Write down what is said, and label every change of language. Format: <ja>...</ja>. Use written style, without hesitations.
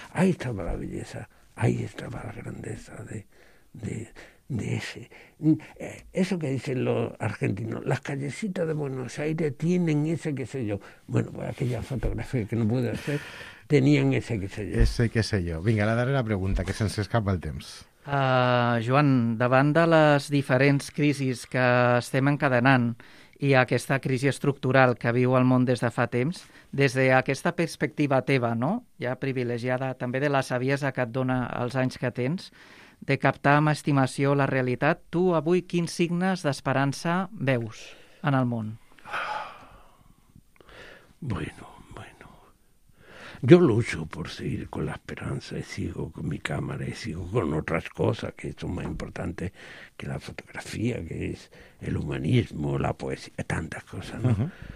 <es>Ahí estaba la belleza, ahí estaba la grandeza de ese. Eso que dicen los argentinos, las callecitas de Buenos Aires tienen ese qué sé yo. Bueno, pues aquella fotografía que no pude hacer, tenían ese qué sé yo. Ese qué sé yo.</es> <ca>Vinga, la darrera pregunta, que se'ns escapa el temps. Joan, davant de les diferents crisis que estem encadenant i aquesta crisi estructural que viu el món des de fa temps, des d'aquesta perspectiva teva, no? Ja privilegiada també de la saviesa que et dona els anys que tens, de captar amb estimació la realitat. Tu avui quins signes d'esperança veus en el món?</ca> <es>Bueno. Yo lucho por seguir con la esperanza y sigo con mi cámara y sigo con otras cosas que son más importantes que la fotografía, que es el humanismo, la poesía, tantas cosas, ¿no?</es>